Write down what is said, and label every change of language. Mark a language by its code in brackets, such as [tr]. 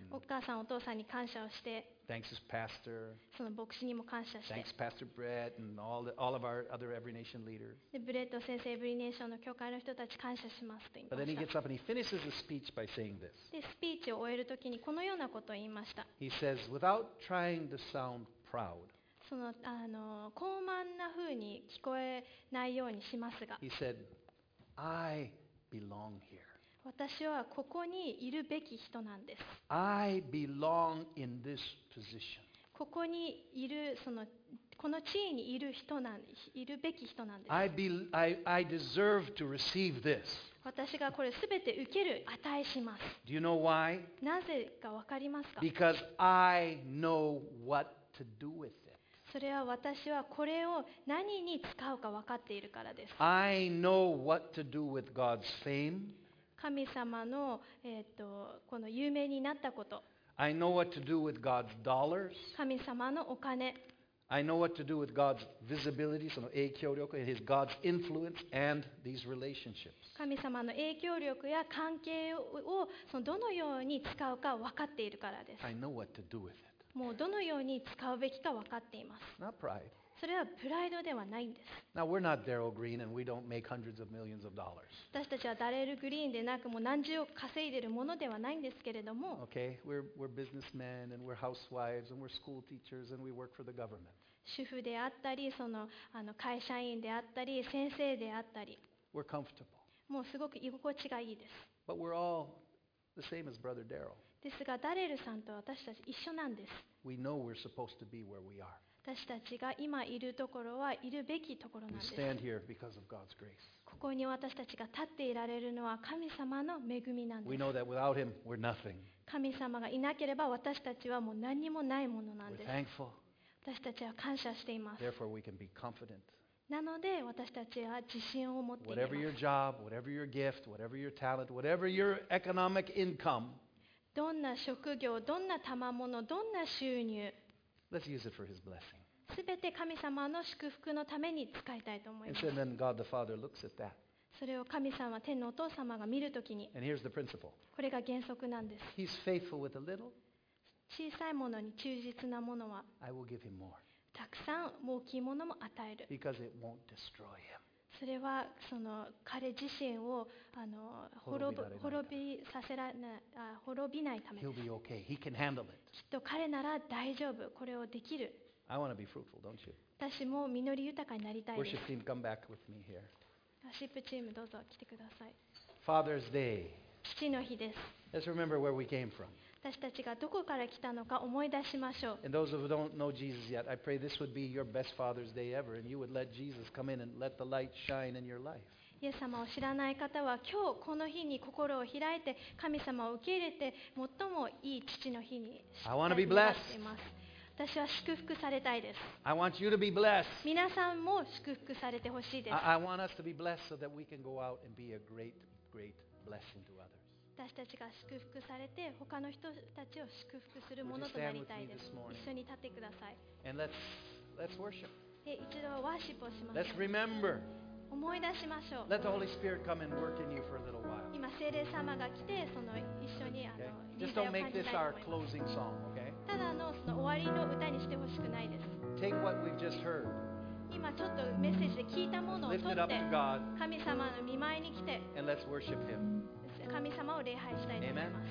[ja] お母さん、お父さんに感謝をして。 [en] Thanks his pastor. [ja] その牧師にも感謝して。 [en] Thanks Pastor Brett and all of our other Every Nation leaders. [ja] で、ブレット先生、Every Nationの教会の人たち感謝しますと言いました。 [en] But then he gets up and he finishes the speech by saying this. [ja] で、スピーチを終えるときにこのようなことを言いました。 [en] He says, without trying to sound proud. [ja] その、あの、高慢な風に聞こえないようにしますが、 [en] He said, I belong here. [ja] 私はここにいるべき人なんです。 [en] I belong in this position. [ja] ここにいる、その、この地位にいる人なん、いるべき人なんです。 [en] I deserve to receive this. [ja] 私がこれ全て受ける値します。 [en] Do you know why? [ja] なぜか分かりますか? [en] Because I know what to do with it. [ja] それは私はこれを何に使うか分かっているからです。 [en] I know what to do with God's fame. [ja] 神様の、この有名になったこと。 [en] I know what to do with God's dollars. [ja] 神様のお金。 [en] I know what to do with God's visibility, [ja] その影響力、 [en] His God's influence and these relationships. [ja] 神様の影響力や関係をそのどのように使うか分かっているからです。 [en] I know what to do with it. [ja] もうどのように使うべきか分かっています。 [en] Not pride. [ja] それはプライドではないんです。 [en] Now we're not Daryl Green and we don't make hundreds of millions of dollars. [ja] 私たちはダレル・グリーンでなくもう何十億稼いでるものではないんですけれども。 [en] Okay, we're businessmen and we're housewives and we're school teachers and we work for the government. [ja] 主婦であったり、その、あの、会社員であったり、先生であったり。 [en] We're comfortable. [ja] もうすごく居心地がいいです。 [en] But we're all the same as Brother Daryl. [ja] ですがダレルさんと私たち一緒なんです。 [en] We know we're supposed to be where we are. [ja] 私たちが今いるところはいるべきところなんです。 [en] We stand here because of God's grace. [ja] ここに私たちが立っていられるのは神様の恵みなんです。 [en] We know that without Him, we're nothing. [ja] 神様がいなければ私たちはもう何にもないものなんです。 [en] We're thankful. [ja] 私たちは感謝しています。 [en] Therefore, we can be confident. [ja] なので私たちは自信を持っています。 [en] Whatever your job, whatever your gift, whatever your talent, whatever your economic income. [ja] どんな職業、どんな賜物、どんな収入、 [en] Let's use it for his blessing. [ja] すべて神様の祝福のために使いたいと思います。 [en] And then God the Father looks at that. [ja] それを神様、天のお父様が見るときに、 [en] And here's the principle. [ja] これが原則なんです。 [en] He's faithful with a little. [ja] 小さいものに忠実なものは、 [en] I will give him more. [ja] たくさん大きいものも与える。 [en] Because it won't destroy him. [ja] それはその彼自身をあの滅びないためです。 [en] He'll be okay. He can handle it. [ja] きっと彼なら大丈夫。これをできる。 [en] I want to be fruitful, don't you? [ja] 私も実り豊かになりたいです。 [en] Worship team, come back with me here. [ja] ワシップチームどうぞ来てください。 [en] Father's Day. [ja] 父の日です。 [en] Let's remember where we came from. [ja] 私たちがどこから来たのか思い出しましょう。 [en] And those who don't know Jesus yet, I pray this would be your best Father's Day ever, and you would let Jesus come in and let the light shine in your life. [ja] イエス様を知らない方は、今日この日に心を開いて、神様を受け入れて、最もいい父の日にしたいと思っています。私は祝福されたいです。 [en] I want you to be blessed. [ja] 皆さんも祝福されてほしいです。 [en] I want us to be blessed so that we can go out and be a great, great blessing to others. [ja] 私たちが祝福されて他の人たちを祝福するものとなりたいです。一緒に立ってください。 [en] And let's worship. [ja] 一度ワーシップをしましょう。 [en] Let's remember. [ja] 思い出しましょう。 [en] Let the Holy Spirit come and work in you for a little while. [ja] 今聖霊様が来てその一緒にあの、 [en] okay. Just don't make this our closing song, okay? [ja] ただのその終わりの歌にしてほしくないです。 Take what we've just heard. 今ちょっとメッセージで聞いたものを取って、神様の御前に来て、 [en] And let's worship Him. [ja] 神様を礼拝したいと思います。